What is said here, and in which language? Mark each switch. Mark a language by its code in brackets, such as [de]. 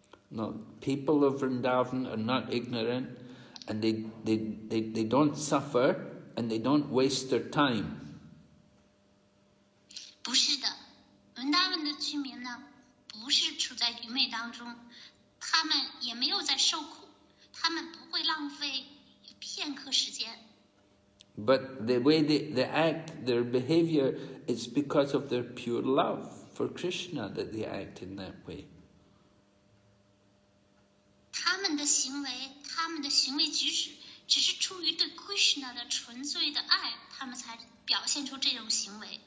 [en] No, people of Vrindavan are not ignorant and they don't suffer. And they don't waste their time. [zh] 不是的，文达文的居民呢，不是处在愚昧当中，他们也没有在受苦，他们不会浪费片刻时间。 [en] But the way they act, their behavior, is because of their pure love for Krishna that they act in that way. [zh] 他们的行为举止。只是出于对 Krishna 的纯粹的爱，他们才表现出这种行为。